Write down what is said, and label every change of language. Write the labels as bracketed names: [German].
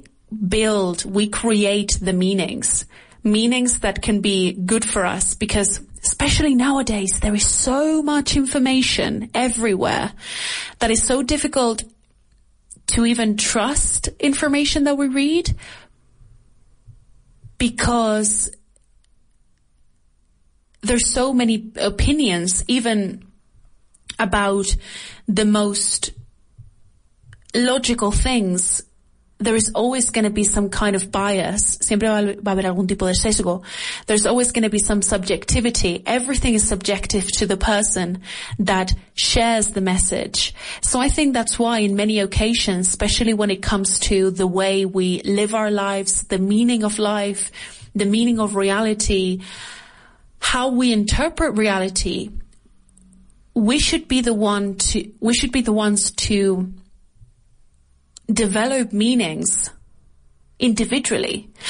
[English] We create the meanings that can be good for us, because especially nowadays there is so much information everywhere that it's so difficult to even trust information that we read, because there's so many opinions, even about the most logical things. There is always going to be some kind of bias. [Spanish] Siempre va a haber algún tipo de sesgo. [English] There's always going to be some subjectivity. Everything is subjective to the person that shares the message. So I think that's why in many occasions, especially when it comes to the way we live our lives, the meaning of life, the meaning of reality, how we interpret reality, we should be the ones to develop meanings individually.